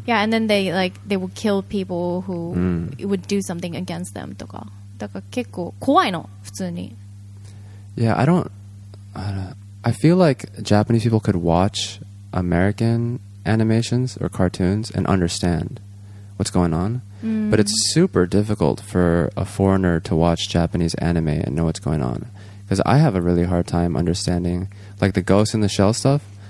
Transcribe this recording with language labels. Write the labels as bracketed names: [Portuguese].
[English] yeah, and then they would kill people who would do something against them. [Japanese] とか。だから結構怖いの、普通に。 [English] Yeah, I don't... I feel like Japanese people could watch American animations or cartoons and understand what's going on. Mm. But it's super difficult for a foreigner to watch Japanese anime and know what's going on. Because I have a really hard time understanding, like, the Ghost in the Shell stuff.